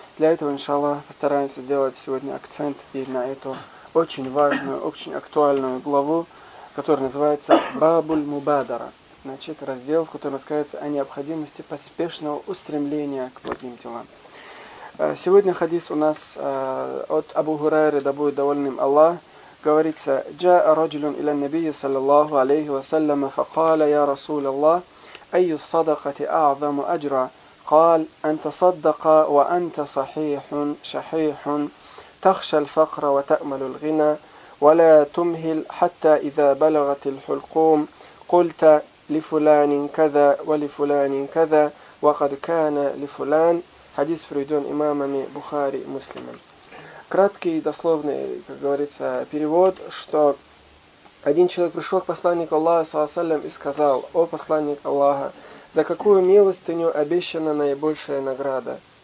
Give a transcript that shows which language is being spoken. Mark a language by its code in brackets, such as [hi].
[ru] Для этого, иншаллах, постараемся сделать сегодня акцент и на эту очень важную, очень актуальную главу, которая называется «Бабуль Мубадара». Значит, раздел, в котором рассказывается о необходимости поспешного устремления к благим делам. Сегодня хадис у нас от Абу Хурайры, да будет довольным Аллах. Говорится: [ar] جاء رجل إلى النبي صلى الله عليه وسلم فقال يا رسول الله أي الصدقة أعظم أجرا قال أن تصدق وأنت صحيح شحيح تخشى الفقر وتأمل الغنى ولا تمهل حتى إذا بلغت الحلقوم قلت لفلان كذا ولفلان كذا وقد كان لفلان. [ru] Хадис приведен имамами Бухари и Муслимом. Краткий, дословный, как говорится, перевод, что один человек пришел к посланнику Аллаха, саллаллаху алейхи ва саллям, и сказал: «О посланник Аллаха, за какую милостыню обещана наибольшая награда?